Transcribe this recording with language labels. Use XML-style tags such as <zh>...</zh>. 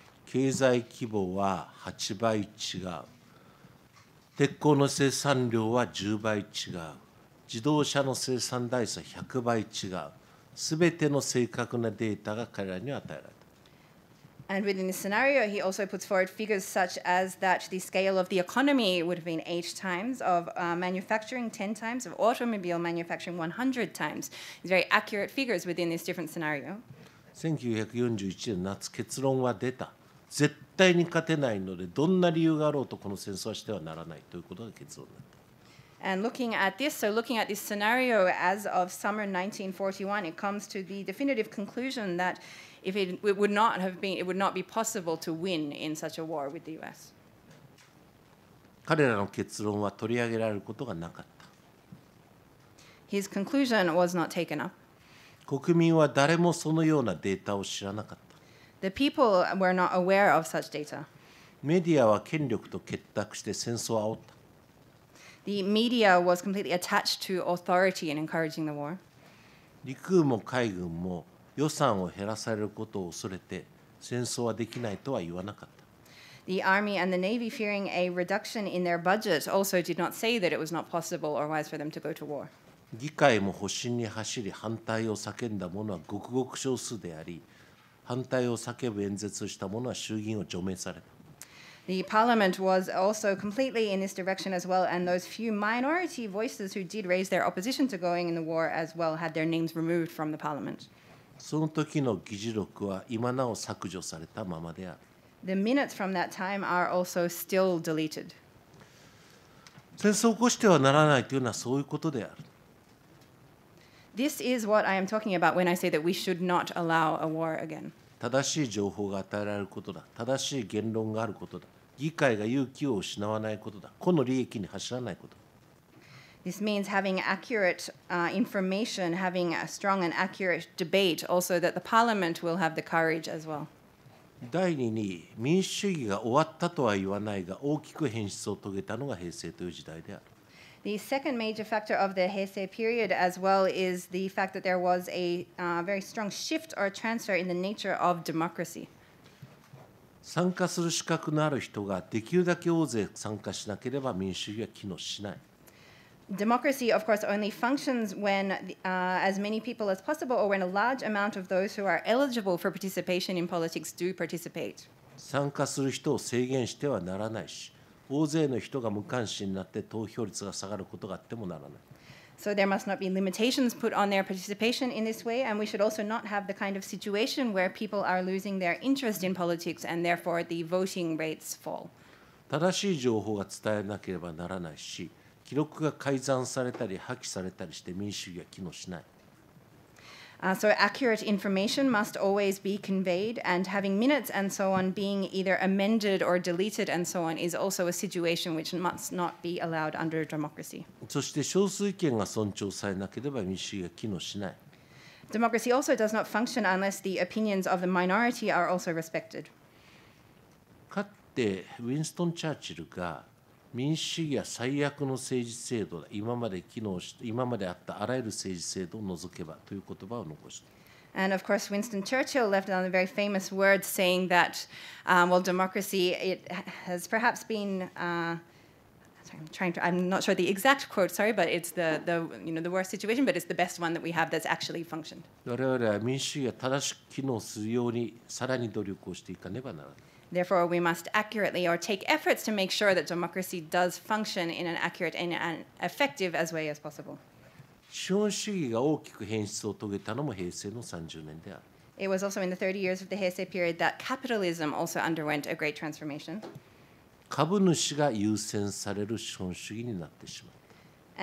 <ja>経済規模は8倍違う。鉄鋼の生産量は10倍違う。自動車の生産台数は100倍違う。すべての正確なデータが彼らに与えられた。</ja> <en>And within this scenario, he also puts forward figures such as that the scale of the economy would have been 8 times, of manufacturing 10 times, of automobile manufacturing 100 times. These very accurate figures within this different scenario.</en> <ja>1941年夏、結論は出た。絶対に勝てないので、どんな理由があろうとこの戦争はしてはならないということが結論だ。</ja> <en>And looking at this, so looking at this scenario as of summer 1941, it comes to the definitive conclusion that if it would not have been, it would not be possible to win in such a war with the US.</en> <ja>彼らの結論は取り上げられることがなかった。</ja> <en>His conclusion was not taken up.</en> <ja>国民は誰もそのようなデータを知らなかった。</ja> <en>The people were not aware of such data.</en> <ja>メディアは権力と結託して戦争を煽った。</ja> <en>The media was completely attached to authority and encouraging the war.</en> <ja>陸軍も海軍も予算を減らされることを恐れて戦争はできないとは言わなかった。</ja> <en>The army and the navy fearing a reduction in their budget also did not say that it was not possible or wise for them to go to war.</en> <ja>議会も保身に走り反対を叫んだ者はごくごく少数であり、反対を叫ぶ演説をした者は衆議院を除名された。</ja> <en>The parliament was also completely in this direction as well, and those few minority voices who did raise their opposition to going in the war as well had their names removed from the parliament.</en> <ja>その時の議事録は今なお削除されたままである。</ja> <en>The minutes from that time are also still deleted.</en> <ja>戦争を起こしてはならないというのはそういうことである。</ja> <en>This is what I am talking about when I say that we should not allow a war again.</en> <ja>正しい情報が与えられることだ、正しい言論があることだ、議会が勇気を失わないことだ、この利益に走らないこと。</ja> <en>This means having accurate information, having a strong and accurate debate, also that the parliament will have the courage as well.</en> <ja>第二に、民主主義が終わったとは言わないが、大きく変質を遂げたのが平成という時代である。</ja> <en>The second major factor of the Heisei period as well is the fact that there was a very strong shift or transfer in the nature of democracy.</en> <ja>参加する資格のある人ができるだけ大勢参加しなければ民主主義は機能しない。</ja> <en>Democracy, of course, only functions when as many people as possible or when a large amount of those who are eligible for participation in politics do participate.</en> <ja>参加する人を制限してはならないし、大勢の人が無関心になって投票率が下がることがあってもならない。</ja> <en>So there must not be limitations put on their participation in this way, and we should also not have the kind of situation where people are losing their interest in politics and therefore the voting rates fall.</en> <ja>正しい情報が伝えなければならないし、記録が改ざんされたり破棄されたりして民主主義は機能しない。</ja> <en>So accurate information must always be conveyed, and having minutes and so on being either amended or deleted and so on is also a situation which must not be allowed under democracy.</en> <ja>そして少数意見が尊重されなければ民主主義は機能しない。</ja> <en>Democracy also does not function unless the opinions of the minority are also respected.</en> <ja>かつてウィンストン・チャーチルが民主主義は最悪の政治制度だ、今まであったあらゆる政治制度を除けばという言葉を残した。</ja> <en>And of course, Winston Churchill left down a very famous word saying that, well, democracy, it has perhaps been, I'm not sure the exact quote, sorry, but it's the worst situation, but it's the best one that we have that's actually functioned.</en> <ja>我々は民主主義が正しく機能するようにさらに努力をしていかねばならない。</ja> <en>Therefore, we must accurately or take efforts to make sure that democracy does function in an accurate and an effective as way as possible.</en> <ja>資本主義が大きく変質を遂げたのも平成の30年である。</ja> <en>It was also in the 30 years of the Heisei period that capitalism also underwent a great transformation.</en> <ja>株主が優先される資本主義になってしまった。</ja>